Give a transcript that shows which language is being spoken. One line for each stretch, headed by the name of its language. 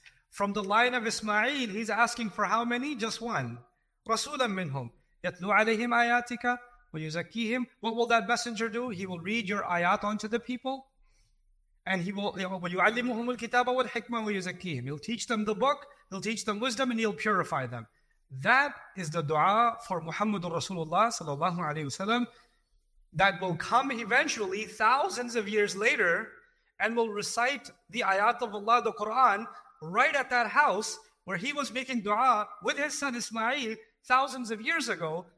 English: From the line of Ismail, he's asking for how many? Just one.
Arabic: Rasulam minhum. Yatlu alayhim ayatika wa yuzakihim.
English: What will that messenger do? He will read your ayat onto the people. And he will,
Arabic: وَيُعَلِّمُهُمُ الْكِتَابَ وَالْحِكْمَةَ وَيُزَكِّيهِمْ.
English: He'll teach them the book, he'll teach them wisdom, and he'll purify them. That is the dua for Muhammadur Rasulullah sallallahu alayhi wasallam that will come eventually thousands of years later and will recite the ayat of Allah, the Quran, right at that house where he was making dua with his son Ismail thousands of years ago.